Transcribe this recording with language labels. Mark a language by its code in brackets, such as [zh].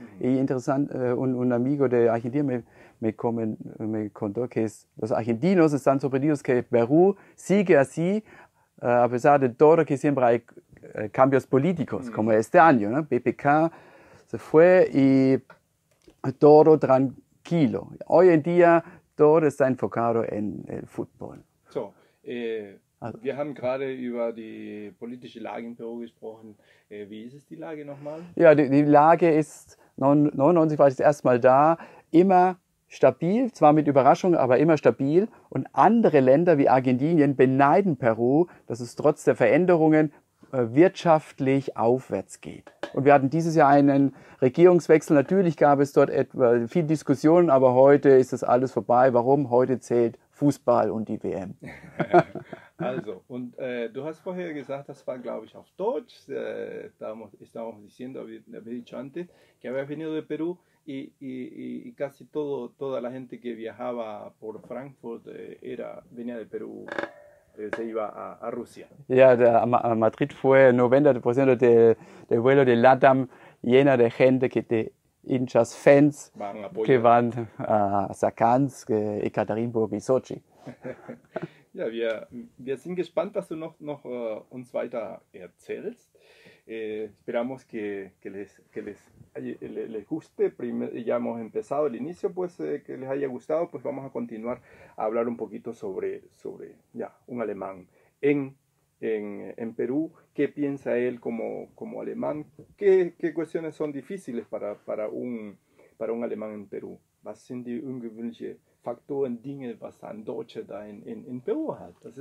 [es] Y interesante, un amigo de Argentina me contó que los argentinos están sorprendidos que Perú sigue así, a pesar de todo que siempre hay cambios políticos, como este año, ¿no? PPK se fue y todo tranquilo. Hoy en día todo está enfocado en el fútbol. [de] So, wir haben gerade über die politische Lage in Peru gesprochen. Wie ist es die Lage nochmal? Ja, die Lage ist, 99 war ich das erste Mal da, immer stabil, zwar mit Überraschung, aber immer stabil. Und andere Länder wie Argentinien beneiden Peru, dass es trotz der Veränderungen wirtschaftlich aufwärts geht. Und wir hatten dieses Jahr einen Regierungswechsel. Natürlich gab es dort etwa viel Diskussionen, aber heute ist das alles vorbei. Warum? Heute zählt Fußball und die WM. Also, und du hast vorher gesagt, das war, glaube ich, auf Deutsch. [es] Estábamos diciendo, había dicho antes, que habías venido de Perú y casi toda la gente que viajaba por Frankfurt venía de Perú, se iba a Rusia. Ja, a Madrid fue 90% del vuelo de LATAM llena de gente, de hinchas, fans, Van a que apoyar. van a Sacans, Ekaterinburg y Sochi. [de] Ja, wir sind gespannt, was du noch uns weiter erzählst. [es] Esperamos que les guste. Ya hemos empezado el inicio, pues que les haya gustado, pues vamos a continuar a hablar un poquito sobre ya un alemán en Perú. ¿Qué piensa él como alemán? ¿Qué cuestiones son difíciles para un alemán en Perú? [de] Was sind die ungewöhnlichen Faktoren, Dinge, was ein Deutscher da in Peru hat?